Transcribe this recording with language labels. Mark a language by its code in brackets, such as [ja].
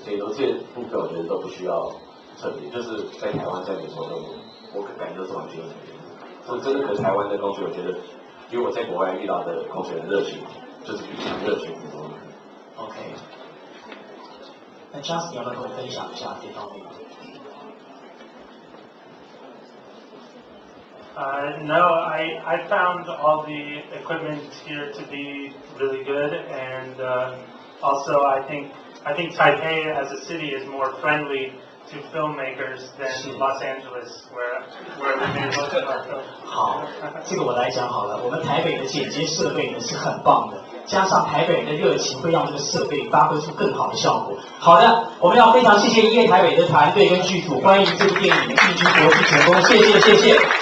[zh] 所以说这些部分我觉得都不需要特别，就是在台湾在美国都我感觉都是完全一样的。所以真的和台湾的工作，我觉得。因为我在国外遇到的工作人热情，就是比较热情很多。 OK， 那 Justin 要不要跟我分享一下这方面？ [en] No, I found all the equipment here to be really good, and also I think Taipei as a city is more friendly to filmmakers than Los Angeles, where we made most of our films. [zh] 好，这个我来讲好了。我们台北的剪接设备呢是很棒的，加上台北人的热情，会让这个设备发挥出更好的效果。好的，我们要非常谢谢一夜台北的团队跟剧组，欢迎这部电影进军国际成功，谢谢谢谢。